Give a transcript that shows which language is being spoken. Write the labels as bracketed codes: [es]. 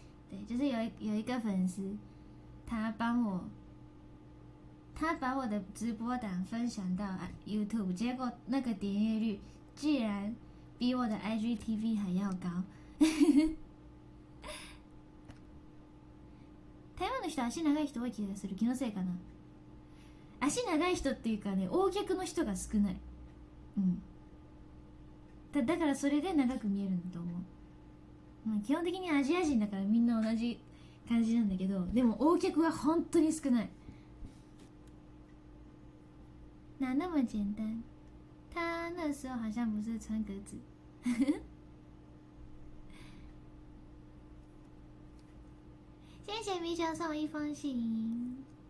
[zh] 对，就是有一个粉丝，他把我的直播档分享到 YouTube， 结果那个点阅率居然比我的 IGTV 还要高。 [ja] 台湾の人足長い人多い気がする。気のせいかな。足長い人っていうかね、大脚の人が少ない。うん。だからそれで長く見えるんだと思う。まあ基本的にアジア人だからみんな同じ感じなんだけど、でも大脚は本当に少ない。 [zh] 哪那么简单？他那时候好像不是穿格子。谢谢米小送一封信。